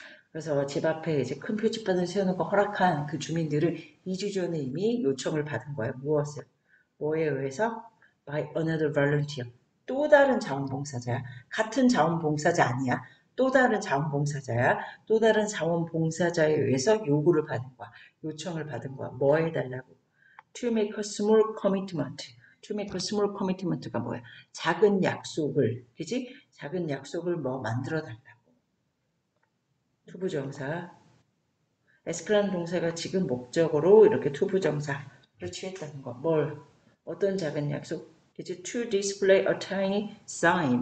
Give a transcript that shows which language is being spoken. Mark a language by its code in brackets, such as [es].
[ko] 그래서 집 앞에 이제 큰 표지판을 세우는 걸 허락한 그 주민들은 2주 전에 이미 요청을 받은 거야. 무엇을? 뭐에 의해서? [en] By another volunteer. [ko] 또 다른 자원봉사자야. 같은 자원봉사자 아니야. 또 다른 자원봉사자야. 또 다른 자원봉사자에 의해서 요구를 받은 거야. 요청을 받은 거야. 뭐 해달라고? [en] To make a small commitment. To make a small commitment가 [ko] 뭐야? 작은 약속을. 그지? 작은 약속을 뭐 만들어 달라고. 투부정사. 에스클란 동사가 지금 목적으로 이렇게 to부 정사를 취했다는 거. 뭘? 어떤 작은 약속? [en] It's to display a tiny sign.